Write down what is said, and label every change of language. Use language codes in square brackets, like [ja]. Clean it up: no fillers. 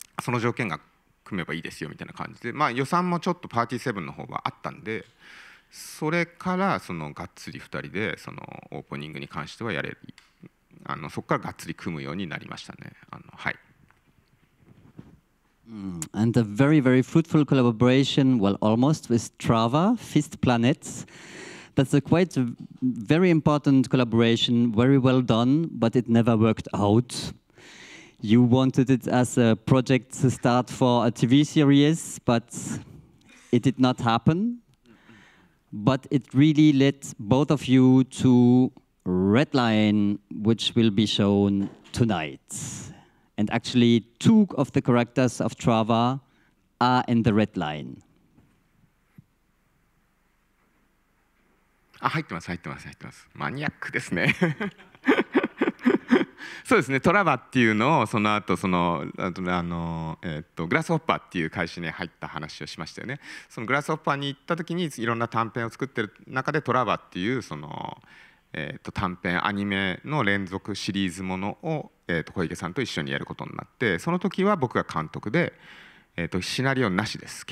[ja] の条件が組めばいいですよみたいな感じで、まあ予算もちょっとパーティー7の方はあったんで、それからそのがっつり2人でそのオープニングに関してはやれる、あのそこからがっつり組むようになりましたね。あのはい。 [en] And a very very fruitful collaboration, well almost, with Trava, Fist Planet. That's a quite very important collaboration, very well done, but it never worked out. You wanted it as a project to start for a TV series, but it did not happen. But it really led both of you to Red Lion, which will be shown tonight. And actually, two of the characters of Trava are in the Red Lion. [ja] Ah, 入ってます、入ってます、入ってます。マニアックですね。そうですね、トラバっていうのをその後そのあとグラスホッパーっていう会社に入った話をしましたよね。そのグラスホッパーに行った時にいろんな短編を作ってる中で、トラバっていうその、短編アニメの連続シリーズものを、小池さんと一緒にやることになって、その時は僕が監督で、シナリオなしです。